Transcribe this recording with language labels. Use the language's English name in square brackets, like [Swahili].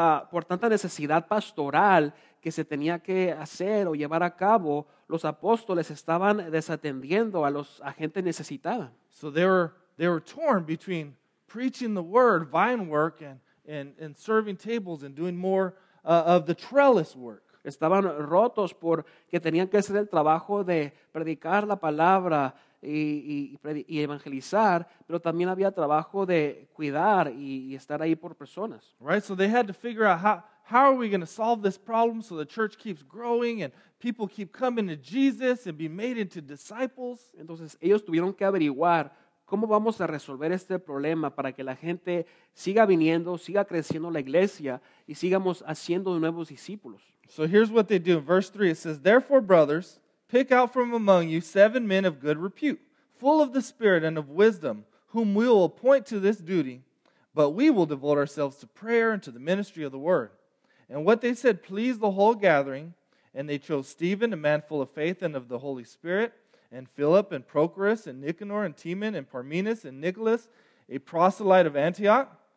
[Spanish] Por tanta necesidad pastoral que se tenía que hacer o llevar a cabo, los apóstoles estaban desatendiendo a gente necesitada. [English] So they were torn between preaching the word, vine work, and serving tables and doing more of the trellis work. [Spanish] Estaban rotos porque tenían que hacer el trabajo de predicar la palabra y evangelizar, pero también había trabajo de cuidar y estar ahí por personas. [English] Right, so they had to figure out how are we going to solve this problem so the church keeps growing and people keep coming to Jesus and be made into disciples. [Spanish] Entonces ellos tuvieron que averiguar cómo vamos a resolver este problema para que la gente siga viniendo, siga creciendo la iglesia y sigamos haciendo nuevos discípulos. [English] So here's what they do. Verse 3, it says, "Therefore, brothers, pick out from among you 7 men of good repute, full of the Spirit and of wisdom, whom we will appoint to this duty, but we will devote ourselves to prayer and to the ministry of the word." And what they said pleased the whole gathering, and they chose Stephen, a man full of faith and of the Holy Spirit, and Philip, and Prochorus, and Nicanor, and Timon, and Parmenas, and Nicholas, a proselyte of Antioch.